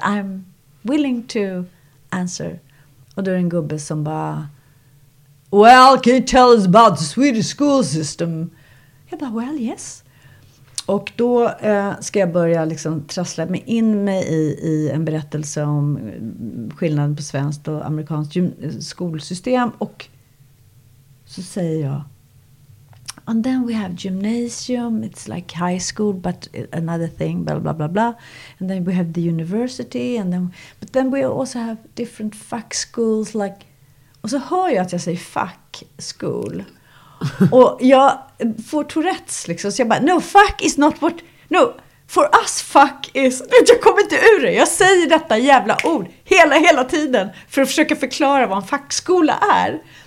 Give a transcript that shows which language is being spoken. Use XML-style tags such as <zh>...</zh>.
<en>I'm willing to answer.</en> <sv>Och då är det en gubbe som bara,</sv> <en>well, can you tell us about the Swedish school system?</en> <sv>Jag bara,</sv> <en>well, yes.</en> <sv>Och då ska jag börja liksom trassla mig in mig i en berättelse om skillnaden på svenskt och amerikanskt skolsystem. Och så säger jag,</sv> <en>and then we have gymnasium, it's like high school, but another thing, blah, blah, blah, blah. And then we have the university, and then, but then we also have different fuck schools, like.</en> <sv>Och så hör jag att jag säger fuck school. Och jag får Tourette's liksom, så jag bara,</sv> <en>no, fuck is not what, no, for us fuck is,</en> <sv>jag kommer inte ur det, jag säger detta jävla ord hela tiden för att försöka förklara vad en fackskola är.</sv>